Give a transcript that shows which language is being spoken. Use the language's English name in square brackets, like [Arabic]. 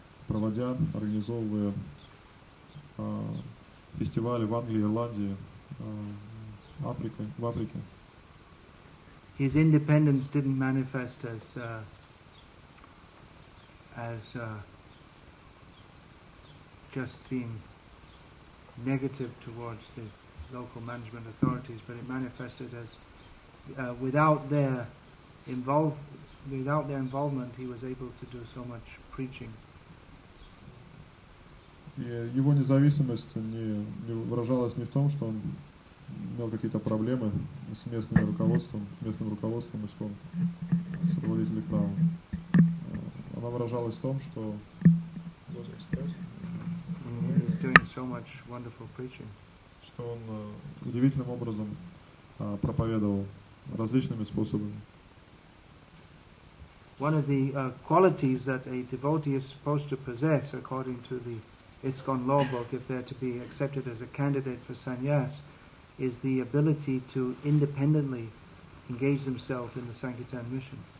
[Russian] проводя, организовывая фестивали в Англии, Ирландии, Африке, в Африке. [English] His independence didn't manifest as just being negative towards the local management authorities, but it manifested as without their involvement, he was able to do so much preaching. [Russian] Его независимость не выражалась не в том, что он имел какие-то проблемы с местным руководством исполком, с руководителем права. Она выражалась в том, что [English] he's doing so much wonderful preaching. [Russian] Что он удивительным образом проповедовал различными способами. [English] One of the qualities that a devotee is supposed to possess, according to the ISKCON law book, if they're to be accepted as a candidate for sannyas, is the ability to independently engage themselves in the Sankirtan mission.